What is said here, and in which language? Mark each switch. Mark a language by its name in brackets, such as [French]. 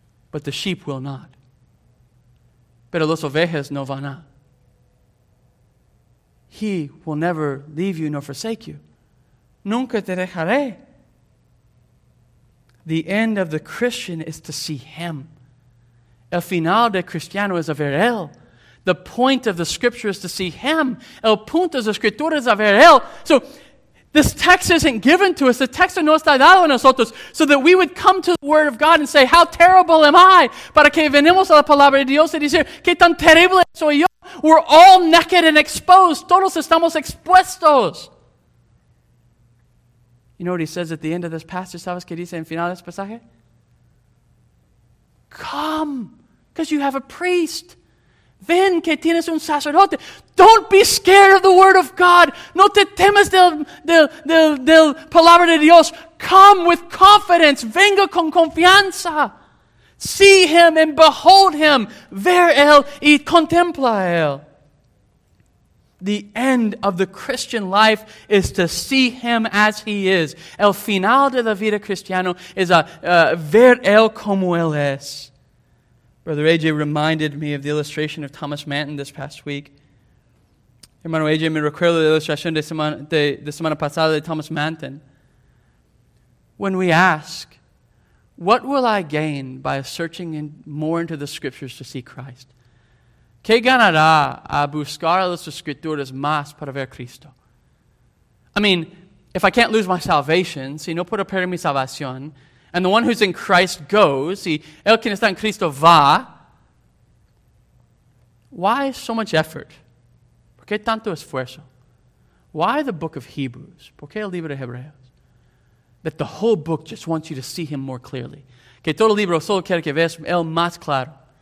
[English] But the sheep will not. [Spanish] Pero los ovejas no van a. [English] He will never leave you nor forsake you. [Spanish] Nunca te dejaré. [English] The end of the Christian is to see him. [Spanish] El final del cristiano es a ver él. [English] The point of the scripture is to see him. [Spanish] El punto de la escritura es a ver él. [English] So, this text isn't given to us. The [Spanish] texto no está dado a nosotros [English] so that we would come to the Word of God and say, how terrible am I? [Spanish] Para que venimos a la palabra de Dios y decir, ¿qué tan terrible soy yo? [English] We're all naked and exposed. [Spanish] Todos estamos expuestos. [English] You know what he says at the end of this passage? [Spanish] ¿Sabes qué dice en final de este pasaje? [English] Come, because you have a priest. [Spanish] Ven que tienes un sacerdote. [English] Don't be scared of the word of God. [Spanish] No te temas del palabra de Dios. [English] Come with confidence. [Spanish] Venga con confianza. [English] See him and behold him. [Spanish] Ver él y contempla él. [English] The end of the Christian life is to see him as he is. [Spanish] El final de la vida cristiana es a ver él como él es. [English] Brother AJ reminded me of the illustration of Thomas Manton this past week. [Spanish] Hermano AJ me recuerda la ilustración de semana pasada de Thomas Manton. [English] When we ask, what will I gain by searching more into the scriptures to see Christ? [Spanish] ¿Qué ganará a buscar las escrituras más para ver Cristo? [English] I mean, if I can't lose my salvation, [Spanish] si no puedo perder mi salvación, [English] And the one who's in Christ goes. [Spanish] Y el quien está en Cristo va. [English] Why so much effort? [Spanish] ¿Por qué tanto esfuerzo? [English] Why the book of Hebrews? [Spanish] ¿Por qué el libro de Hebreos? [English] That the whole book just wants you to see him more clearly. [Spanish] Que todo el libro solo quiere que veas él más claro.